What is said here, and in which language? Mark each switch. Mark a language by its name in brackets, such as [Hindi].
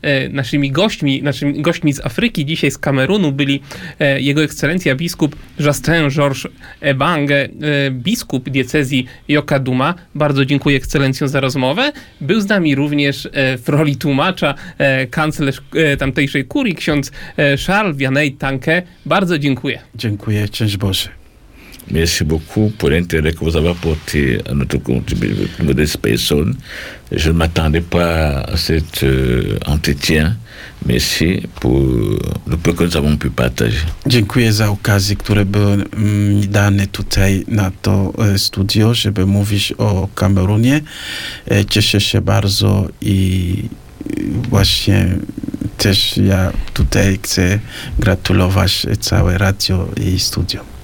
[Polish] Naszymi gośćmi z Afryki, dzisiaj z Kamerunu, byli Jego Ekscelencja biskup Justin-Georges Ebang, biskup diecezji Yokadouma. Bardzo dziękuję Ekscelencjo za rozmowę. Był z nami również w roli tłumacza kanclerz tamtejszej kurii, ksiądz Charles Vianney Tanke. Bardzo dziękuję. Dziękuję, cześć Boże. [French] Merci beaucoup pour l'intérêt que vous avez apporté à notre contribution de personne. Je ne m'attendais pas à cet entretien. Merci pour le peu que nous avons pu partager. [Polish] Dziękuję za okazję, która była mi dana tutaj na to studio, żeby mówić o Kamerunie. Cieszę się bardzo i właśnie też ja tutaj chcę gratulować całe radio i studio.